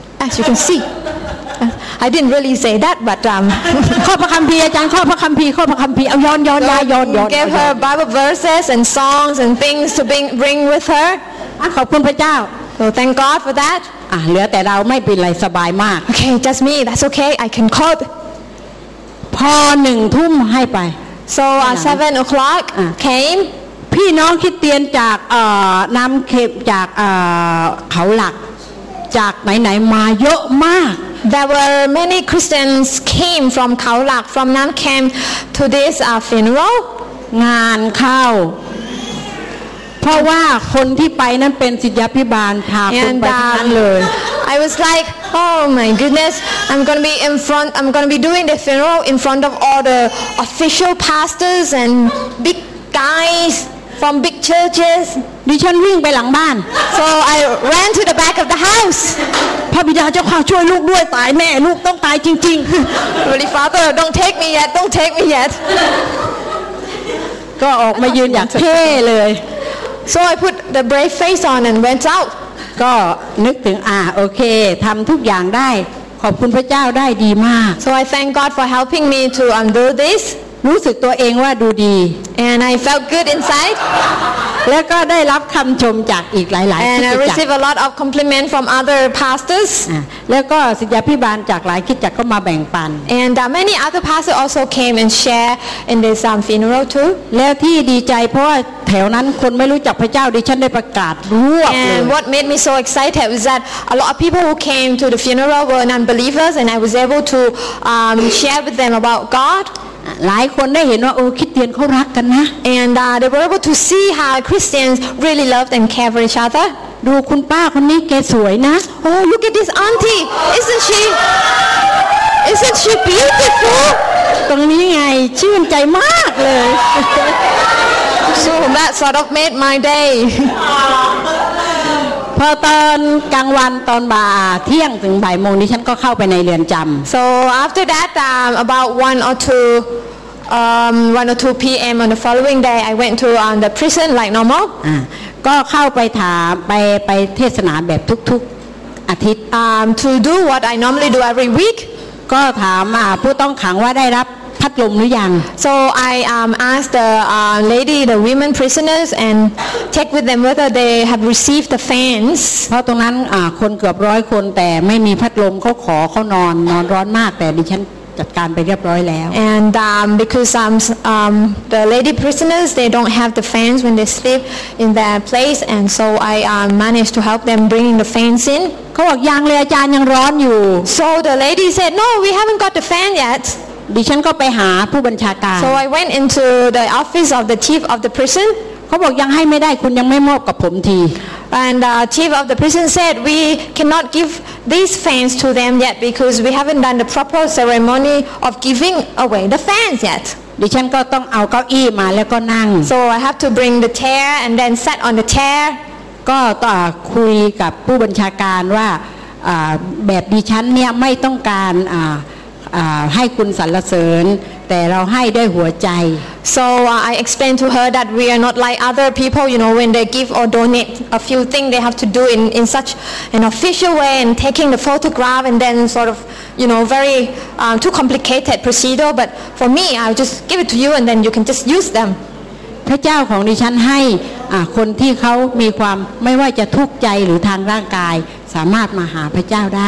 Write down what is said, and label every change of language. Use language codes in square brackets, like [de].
[en] As you can see I didn't really say that but [th] ข้อพระคัมภีร์อาจารย์ข้อพระคัมภีร์เอาย้อน [en] gave her Bible verses and songs and things to bring with her [th] ขอบคุณพระเจ้า [en] So thank God for that [th] อ่ะเหลือแต่เราไม่เป็นไรสบายมาก [en] โอเค just me that's okay I can cope [th] พอหนึ่งทุ่มให้ไป [en] so at 7 o'clock came [th] พี่น้องคริสเตียนจากน้ำเข็มจากเขาหลักจากไหนๆมาเยอะมาก [en] there were many Christians came from เขาหลัก from น้ำเข็ม to this funeral [th] งานเข้าเพราะว่าคนที่ไปนั้นเป็นศิษยาภิบาลพาคุณไปทั้งเลย [en] I was like oh my goodness I'm going to be doing the funeral in front of all the official pastors and big guys from big churches [th] ดิฉันวิ่งไปหลังบ้าน [en] so I ran to the back of the house [th] พระบิดาเจ้าข้าช่วยลูกด้วยตายแน่ลูกต้องตายจริง [en] ๆ Holy Father don't take me yet don't take me yet [th] ก็ออกมายืนอย่างเท่เลย [en] So I put the brave face on and went out. [th] ก็นึกถึงโอเคทำทุกอย่างได้ขอบคุณพระเจ้าได้ดีมาก [en] So I thank God for helping me to do this. [th] รู้สึกตัวเองว่าดูดี [en] And I felt good inside. [th] แล้วก็ได้รับคำชมจากอีกหลายๆที่จัด [en] And I received a lot of compliment from other pastors. [th] แล้วก็ศิษยาภิบาลจากหลายคริสตจักรก็มาแบ่งปัน [en] And many other pastors also came and share in this funeral too. [th] แล้วที่ดีใจเพราะแถวนั้นคนไม่รู้จักพระเจ้าดิฉันได้ประกาศรวบเลย [en] And what made me so excited was that a lot of people who came to the funeral were non-believers and I was able to share with them about God [th] หลายคนได้เห็นว่าโอ้คริสเตียนเขารักกันนะ [en] And they were able to see how Christians really loved and care for each other [th] ดูคุณป้าคนนี้แกสวยนะ [en] Oh look at this auntie isn't she beautiful [th] ตรงนี้ไงชื่นใจมากเลย [en] So that sort of made my day. [th] พอตอนกลางวันตอนบ่ายเที่ยงถึงบ่ายโมงนี้ฉันก็เข้าไปในเรือนจำ [en] So after that about 1 or 2 1 or 2 p.m. on the following day I went to on the prison like normal [th] ก็เข้าไปถามไปเทศนาแบบทุกๆอาทิตย์ [en] to do what I normally do every week [th] ก็ถามผู้ต้องขังว่าได้รับพัดลมหรือยัง [en] so I asked the lady the women prisoners and check with them whether they have received the fans [th] เพราะตรงนั้นคนเกือบร้อยคนแต่ไม่มีพัดลมเขาขอเขานอนร้อนมากแต่ดิฉันจัดการไปเรียบร้อยแล้ว [en] and because the lady prisoners they don't have the fans when they sleep in their place and so I managed to help them bringing the fans in [th] เขาบอกยังเลยอาจารย์ยังร้อนอยู่ [en] so the lady said no we haven't got the fan yet [th] ดิฉันก็ไปหาผู้บัญชาการ [en] So I went into the office of the chief of the prison [th] เขาบอกยังให้ไม่ได้คุณยังไม่มอบกับผมที [en] And the chief of the prison said we cannot give these fans to them yet because we haven't done the proper ceremony of giving away the fans yet [th] ดิฉันก็ต้องเอาเก้าอี้มาแล้วก็นั่ง [en] So I have to bring the chair and then sat on the chair [th] ก็ต่อคุยกับผู้บัญชาการว่าแบบดิฉันเนี่ยไม่ต้องการให้คุณสรรเสริญแต่เราให้ด้วยหัวใจ [en] So I explained to her that we are not like other people you know when they give or donate a few things they have to do in such an official way and taking the photograph and then sort of you know very too complicated procedure but for me I'll just give it to you and then you can just use them [th] พระเจ้าของดิฉันให้คนที่เขามีความไม่ว่าจะทุกข์ใจหรือทางร่างกายสามารถมาหาพระเจ้าได